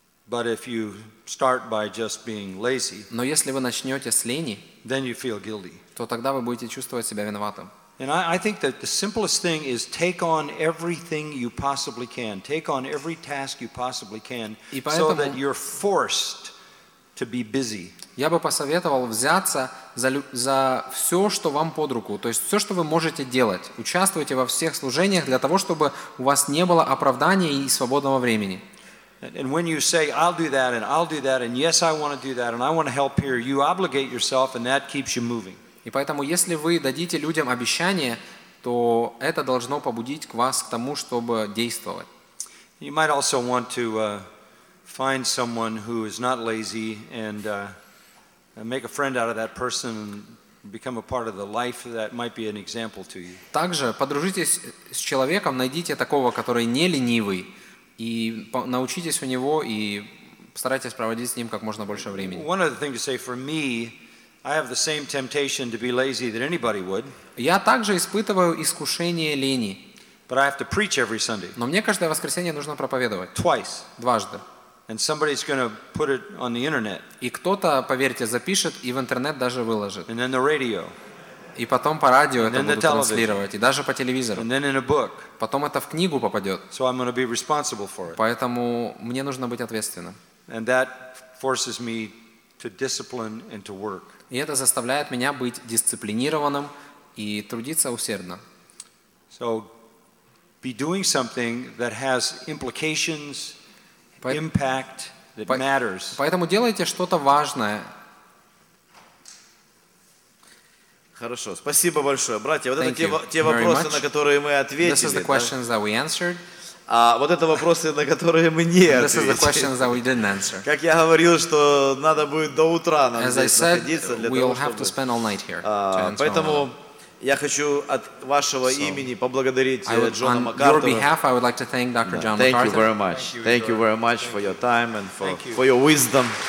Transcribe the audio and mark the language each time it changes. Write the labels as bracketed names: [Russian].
[English] But if you start by just being lazy, [Russian] но если вы начнете с лени, [English] then you feel guilty. [Russian] То тогда вы будете чувствовать себя виноватым. [English] And I think that the simplest thing is take on everything you possibly can, take on every task you possibly can, so that you're forced to be busy. [Russian] Я бы посоветовал взяться за все, что вам под руку, то есть все, что вы можете делать. Участвуйте во всех служениях для того, чтобы у вас не было оправдания и свободного времени. [English] And when you say, I'll do that, and I'll do that, and yes, I want to do that, and I want to help here, you obligate yourself, and that keeps you moving. [Russian] И поэтому, если вы дадите людям обещание, то это должно побудить вас к тому, чтобы действовать. [English] You might also want to find someone who is not lazy and make a friend out of that person and become a part of the life that might be an example to you. [Russian] Также подружитесь с человеком, найдите такого, который не ленивый, и научитесь у него и старайтесь проводить с ним как можно больше времени. [English] One other thing to say for me, I have the same temptation to be lazy that anybody would. [Russian] Я также испытываю искушение лени. [English] But I have to preach every Sunday. [Russian] Но мне каждое воскресенье нужно проповедовать. [English] Twice. [Russian] Дважды. [English] And somebody's going to put it on the internet. [Russian] И кто-то, поверьте, запишет и в интернет даже выложит. [English] And then the radio. [Russian] И потом по радио это будут транслировать, и даже по телевизору. [English] And then in a book. [Russian] Потом это в книгу попадет. [English] So I'm going to be responsible for it. [Russian] Поэтому мне нужно быть ответственным. [English] And that forces me to discipline and to work. [Russian] И это заставляет меня быть дисциплинированным и трудиться усердно. [English] So be doing something that has implications. Impact that matters. [Russian] Поэтому делайте что-то важное. Хорошо, спасибо большое, братья. Вот это те вопросы, на которые мы ответили. [English] This is the questions that we answered. [Russian] А вот это вопросы, на которые мы не ответили. [English] This is the questions that we didn't answer. [Russian] Как я говорил, что надо будет до утра нам здесь находиться для того, чтобы. [English] As I said, we'll have to spend all night here. [Russian] Поэтому я хочу от вашего имени поблагодарить Джона МакАртура. [English] On your behalf, I would like to thank Dr. John MacArthur. Thank you very much. Thank you very much for your time and for your wisdom.